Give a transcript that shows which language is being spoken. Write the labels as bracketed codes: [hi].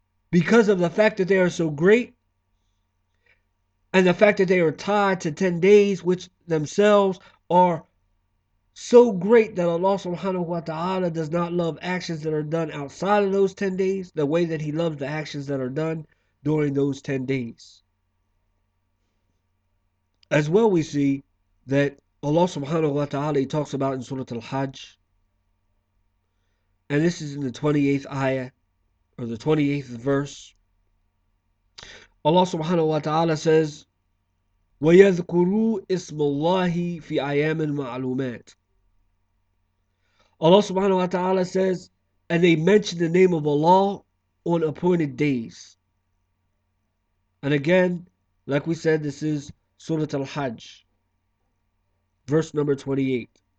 [en] Because of the fact that they are so great, and the fact that they are tied to 10 days, which themselves are so great that Allah subhanahu wa ta'ala does not love actions that are done outside of those 10 days, the way that he loves the actions that are done during those 10 days. As well, we see that Allah subhanahu wa ta'ala, he talks about in Surah Al-Hajj, and this is in the 28th ayah, or the 28th verse. [ar] Allah subhanahu wa ta'ala [en] says, [ar] وَيَذْكُرُوا اسْمُ اللَّهِ فِي أَيَامٍ مَعْلُومَاتٍ. [en] Allah subhanahu wa ta'ala says, and they mention the name of Allah on appointed days. And again, like we said, this is Surah Al-Hajj, verse number 28.